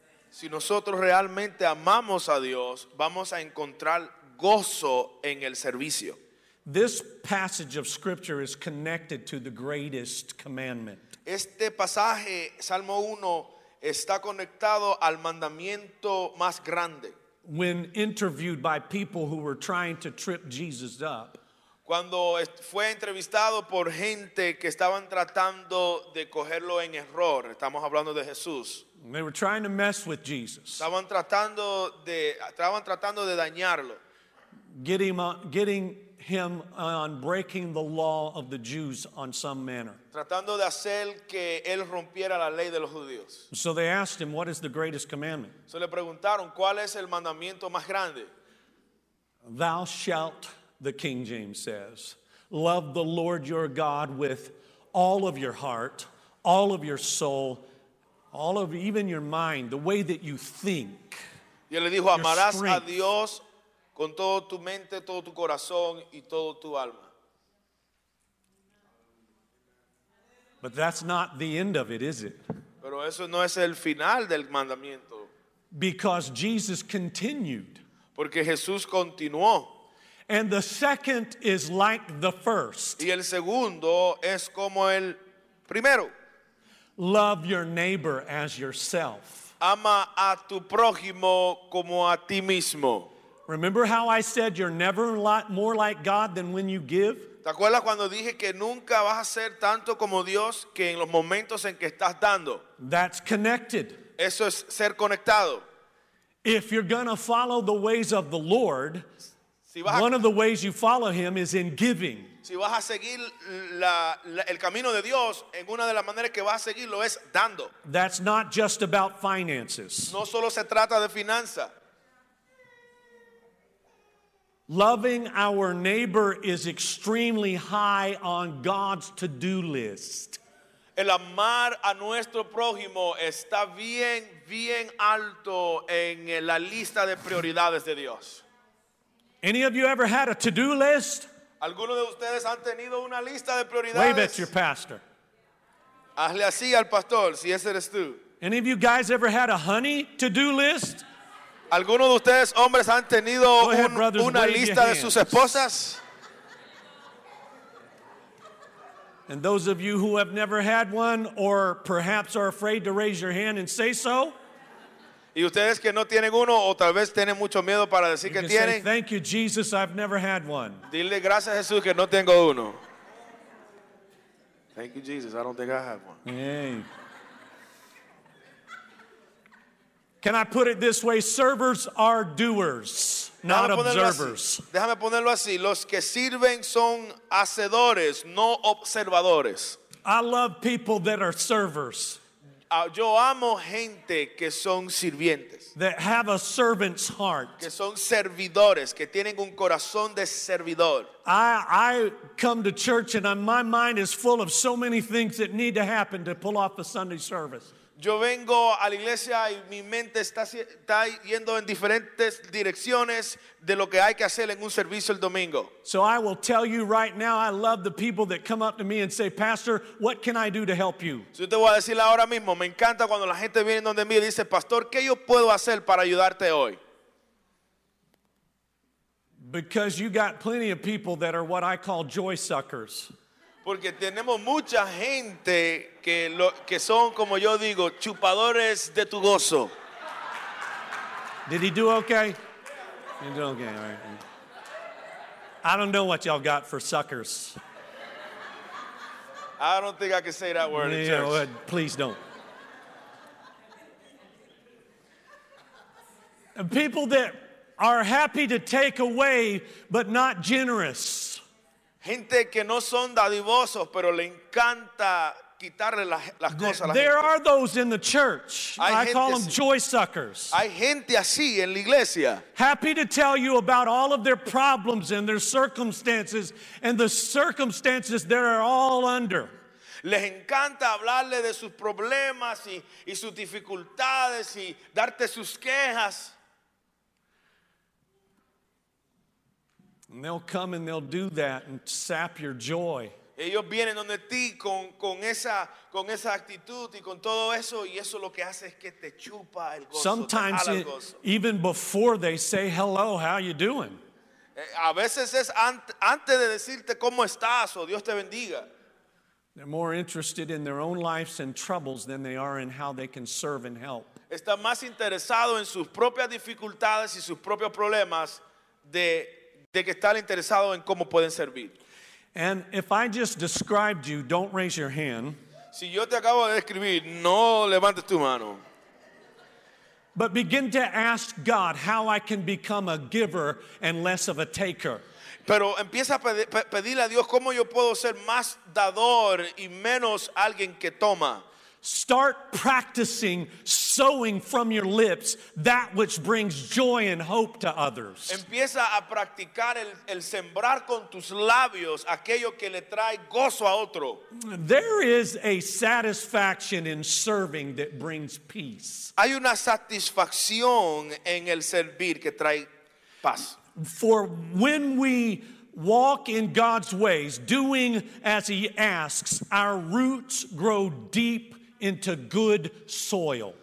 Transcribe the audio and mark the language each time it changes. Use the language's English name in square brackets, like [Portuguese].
[Spanish] Si nosotros realmente amamos a Dios, vamos a encontrar gozo en el servicio. [English] This passage of scripture is connected to the greatest commandment. [Spanish] Este pasaje, Salmo 1, está conectado al mandamiento más grande. [English] When interviewed by people who were trying to trip Jesus up, [Spanish] cuando fue entrevistado por gente que estaban tratando de cogerlo en error. Estamos hablando de Jesús. [English] They were trying to mess with Jesus. [Spanish] Estaban tratando de dañarlo. [English] Getting him on breaking the law of the Jews on some manner. [Spanish] Tratando de hacer que él rompiera la ley de los judíos. [English] So they asked him, what is the greatest commandment? [Spanish] So le preguntaron, ¿cuál es el mandamiento más grande? [English] Thou shalt, the King James says, love the Lord your God with all of your heart, all of your soul, all of even your mind, the way that you think. [Spanish] Y él le dijo, amarás a Dios con todo tu mente, todo tu corazón y todo tu alma. [English] But that's not the end of it, is it? [Spanish] Pero eso no es el final del mandamiento. [English] Because Jesus continued. [Spanish] Porque Jesús continuó. [English] And the second is like the first. [Spanish] Y el segundo es como el primero. [English] Love your neighbor as yourself. [Spanish] Ama a tu prójimo como a ti mismo. [English] Remember how I said you're never more like God than when you give? [Spanish] ¿Te acuerdas cuando dije que nunca vas a ser tanto como Dios que en los momentos en que estás dando? [English] That's connected. [Spanish] Eso es ser conectado. [English] If you're going to follow the ways of the Lord, one of the ways you follow him is in giving. [Spanish] Si vas a seguir el camino de Dios, en una de las maneras que vas a seguirlo es dando. [English] That's not just about finances. [Spanish] No solo se trata de finanzas. [English] Loving our neighbor is extremely high on God's to-do list. [Spanish] El amar a nuestro prójimo está bien, bien alto en la lista de prioridades de Dios. [English] Any of you ever had a to-do list? [Spanish] ¿Alguno de ustedes han tenido una lista de prioridades? [English] Wave at your pastor. [Spanish] Hazle así al pastor, si ese eres tú. [English] Any of you guys ever had a honey to-do list? [Spanish] ¿Alguno de ustedes hombres han tenido una lista de sus esposas? [English] And those of you who have never had one or perhaps are afraid to raise your hand and say so. [Spanish] Y ustedes que no tienen uno o tal vez tienen mucho miedo para decir que tienen. [English] Say, thank you Jesus, I've never had one. [Spanish] Dile gracias Jesús que no tengo uno. [English] Thank you Jesus, I don't think I have one. Hey. Can I put it this way? Servers are doers, not observers. [Spanish] Déjame ponerlo así. Los que sirven son hacedores, no observadores. [English] I love people that are servers. [Spanish] Yo amo gente que son sirvientes. [English] That have a servant's heart. [Spanish] Que son servidores, que tienen un corazón de servidor. [English] I come to church and my mind is full of so many things that need to happen to pull off a Sunday service. [Spanish] Yo vengo a la iglesia y mi mente está yendo en diferentes direcciones de lo que hay que hacer en un servicio el domingo. [English] So I will tell you right now, I love the people that come up to me and say, Pastor, what can I do to help you? [Spanish] Yo te voy a decir ahora mismo, me encanta cuando la gente viene donde mí y dice, Pastor, ¿qué yo puedo hacer para ayudarte hoy? [English] Because you got plenty of people that are what I call joy suckers. [Spanish] Porque tenemos mucha gente que son, como yo digo, chupadores de tu gozo. [English] Did he do okay? He did okay, all right. I don't know what y'all got for suckers. I don't think I can say that word in church. Well, please don't. People that are happy to take away but not generous. [Spanish] Gente que no son dadivosos, pero le encanta quitarle las cosas a la gente. [English] There are those in the church. I call them joy suckers. [Spanish] Hay gente así en la iglesia. [English] Happy to tell you about all of their problems and their circumstances and the circumstances they are all under. [Spanish] Les encanta hablarle de sus problemas y sus dificultades y darte sus quejas. [English] And they'll come and they'll do that and sap your joy. [Spanish] Ellos vienen donde ti con esa actitud y con todo eso, y eso lo que hace es que te chupa el gozo. [English] Sometimes [Spanish] te jala el gozo. [English] Even before they say hello, how you doing? [Spanish] A veces es antes de decirte cómo estás o Dios te bendiga. [English] They're more interested in their own lives and troubles than they are in how they can serve and help. [Spanish] Está más interesado en sus propias dificultades y sus propios problemas de de que estar interesado en cómo pueden servir. [English] And if I just described you, don't raise your hand. [Spanish] Si yo te acabo de describir, no levantes tu mano. [English] But begin to ask God how I can become a giver and less of a taker. [Spanish] Pero empieza a pedirle a Dios cómo yo puedo ser más dador y menos alguien que toma. [English] Start practicing sowing from your lips that which brings joy and hope to others. [Spanish] Empieza a practicar el sembrar con tus labios aquello que le trae gozo a otro. [English] There is a satisfaction in serving that brings peace. [Spanish] Hay una satisfacción en el servir que trae paz. [English] For when we walk in God's ways, doing as He asks, our roots grow deep into good soil.